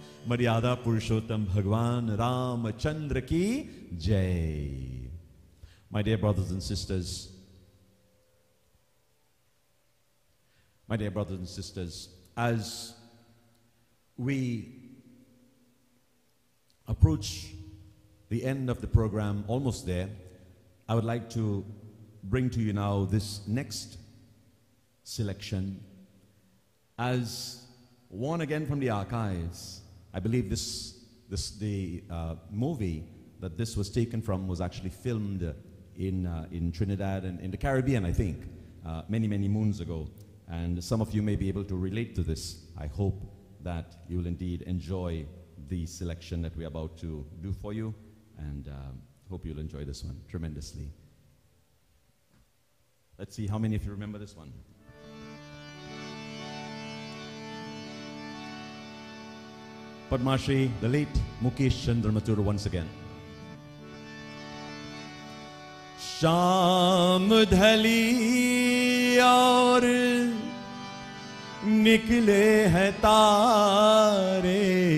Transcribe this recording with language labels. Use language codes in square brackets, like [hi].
[hi] मर्यादा पुरुषोत्तम भगवान रामचंद्र की जय। [en] My dear brothers and sisters, my dear brothers and sisters, as we approach the end of the program, almost there, I would like to bring to you now this next selection as one again from the archives. I believe the movie that this was taken from was actually filmed in Trinidad and in the Caribbean, I think, many moons ago. And some of you may be able to relate to this. I hope that you will indeed enjoy the selection that we are about to do for you. And hope you'll enjoy this one tremendously. Let's see how many of you remember this one. Padmashri, the late Mukesh Chandra Mathur once again. [hi] Shyam Dhali aur निकले है तारे